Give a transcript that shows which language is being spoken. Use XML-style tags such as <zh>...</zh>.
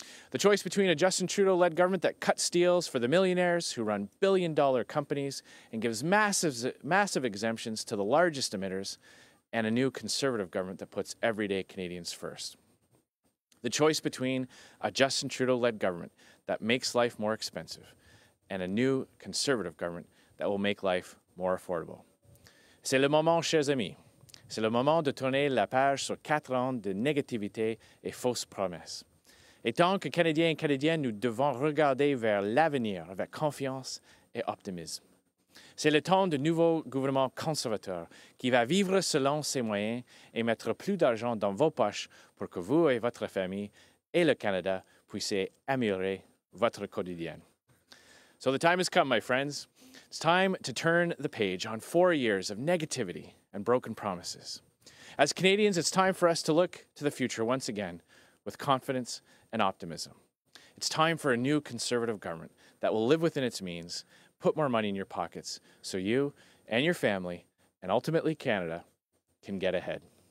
<en>The choice between a Justin Trudeau-led government that cuts deals for the millionaires who run billion-dollar companies and gives massive exemptions to the largest emitters and a new conservative government that puts everyday Canadians first. The choice between a Justin Trudeau-led government that makes life more expensive and a new conservative government that will make life more affordable.</en> <fr>C'est le moment, chers amis. C'est le moment de tourner la page sur 4 ans de négativité et fausses promesses. Et tant que Canadiens et Canadiennes, nous devons regarder vers l'avenir avec confiance et optimisme. C'est le temps du nouveau gouvernement conservateur qui va vivre selon ses moyens et mettre plus d'argent dans vos poches pour que vous et votre famille et le Canada puissiez améliorer votre quotidien.</fr> <en>So the time has come, my friends. It's time to turn the page on 4 years of negativity and broken promises. As Canadians, it's time for us to look to the future once again with confidence and optimism. It's time for a new conservative government that will live within its means, put more money in your pockets so you and your family, and ultimately Canada, can get ahead.</en>